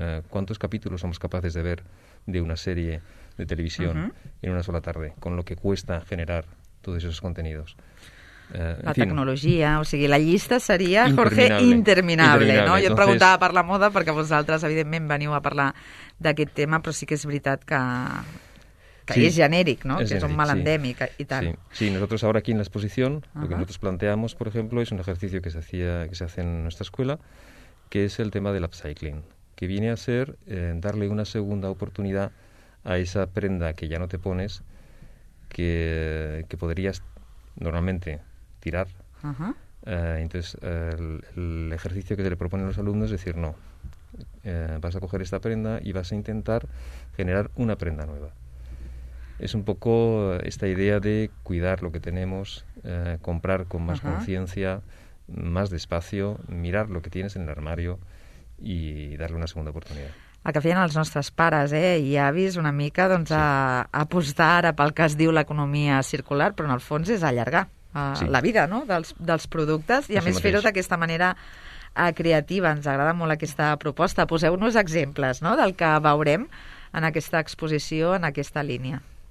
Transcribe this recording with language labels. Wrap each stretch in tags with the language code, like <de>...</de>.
<es>¿Cuántos capítulos somos capaces de ver de una serie de televisión en una sola tarde, con lo que cuesta generar todos esos contenidos?</es> <ca>La tecnologia, o sigui, la llista seria, Jorge, interminable, no? Jo et preguntava per la moda perquè vosaltres, evidentment, veniu a parlar d'aquest tema, però sí que és veritat que sí, és genèric, no? Que és un mal endèmic i tal.</ca> <es>Sí, nosotros ahora aquí en la exposición, lo que nosotros planteamos, por ejemplo, es un ejercicio que se hace en nuestra escuela, que es el tema del upcycling, que viene a ser darle una segunda oportunidad a esa prenda que ya no te pones, que podrías normalmente tirar. Entonces, el ejercicio que se le proponen los alumnos es decir, no, vas a coger esta prenda y vas a intentar generar una prenda nueva. Es un poco esta idea de cuidar lo que tenemos, comprar con más conciencia, más despacio, mirar lo que tienes en el armario y darle una segunda oportunidad.</es> <ca>El que feien els nostres pares i avis una mica doncs, sí. a apostar ara pel que es diu l'economia circular, però en el fons és allargar la vida no? dels productes i a més fer-ho d'aquesta manera creativa. Ens agrada molt aquesta proposta. Poseu-nos exemples no? del que veurem en aquesta exposició, en aquesta línia.</ca>